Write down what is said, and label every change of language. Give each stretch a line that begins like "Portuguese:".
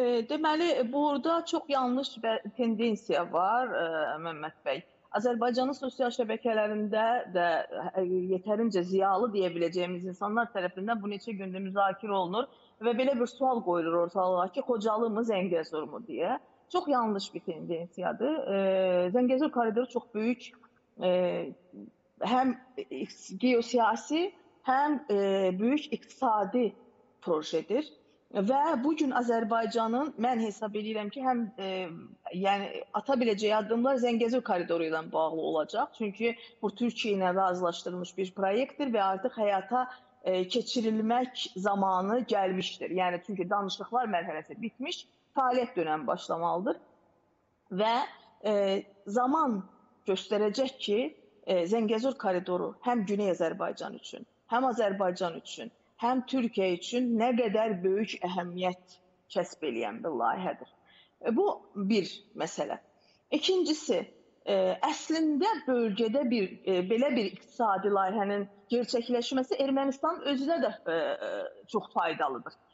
Azerbaijani: Deməli, burada çox yanlış bir tendensiya var, Məhəmməd Bey. Azərbaycanın sosial şəbəkələrində də yeterince ziyalı
Turkish: diyebileceğimiz insanlar tarafından
Azerbaijani: bu neçə gündür müzakirə olunur ve belə bir sual koyulur ortalığa ki, Xocalı mı, Zəngəzur mu diye.
Turkish: Çok yanlış bir tendensiyadır. Zəngəzur koridoru çok büyük hem geosiyasi hem büyük iqtisadi projedir. Ve bugün Azerbaycan'ın, ben hesap edirim ki, hem yani atabileceği adımlar Zengezur koridoruyla bağlı olacak. Çünkü bu Türkiye ile razılaştırılmış bir proyektir ve artık hayata geçirilmek zamanı gelmiştir. Yani çünkü danışıklar merhalesi bitmiş, faaliyet dönem başlamalıdır. Ve zaman gösterecek ki, Zengezur koridoru hem Güney Azerbaycan için, hem Azerbaycan için,
Azerbaijani: həm Türkiyə üçün nə qədər böyük əhəmiyyət kəsb eləyən bir layihədir. Bu bir məsələ. İkincisi, əslində bölgədə belə bir iqtisadi layihənin gerçəkləşməsi Ermənistan özünə də çox faydalıdır.